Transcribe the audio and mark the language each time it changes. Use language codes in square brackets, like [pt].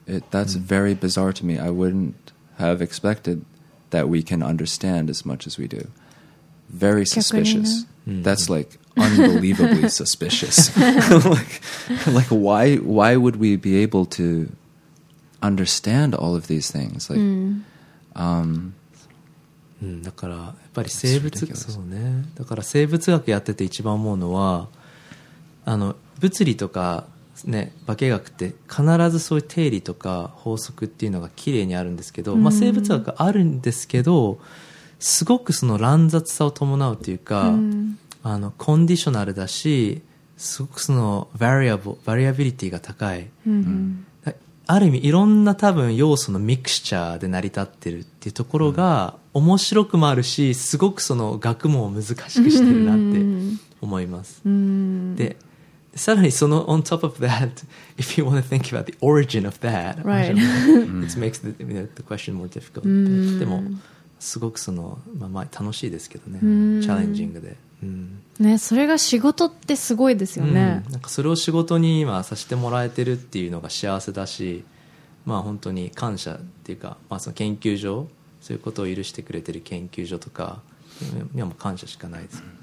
[en] That's、mm. very bizarre to me. I wouldn't have expected that we can understand as much as we do. Very suspicious.、Mm-hmm. That's like unbelievably suspicious. like why would we be able to understand all of these things? Like,、mm. [ja] だからやっぱり生物そうね。だから生物学やってて一番思うのは、あの物理とかね、化学って必ずそういう定理とか法則っていうのがきれいにあるんですけど、まあ、生物学があるんですけど、すごくその乱雑さを伴うというか、あのコンディショナルだし、すごくそのバリアビリティが高い、ある意味いろんな多分要素のミクスチャーで成り立ってるっていうところが面白くもあるし、すごくその学問を難しくしてるなって思います。でさらにその [en] on top of that, if you want to think about the origin of that, right, it makes the, you know, the question more difficult. [ja] でもすごくそのまあ、まあ楽しいですけどね、チャレンジングで、ね、それが仕事ってすごいですよね。なんかそれを仕事に今させてもらえてるっていうのが幸せだし、まあ本当に感謝っていうか、まあその研究所、そういうことを許してくれてる研究所とかにはもう感謝しかないです。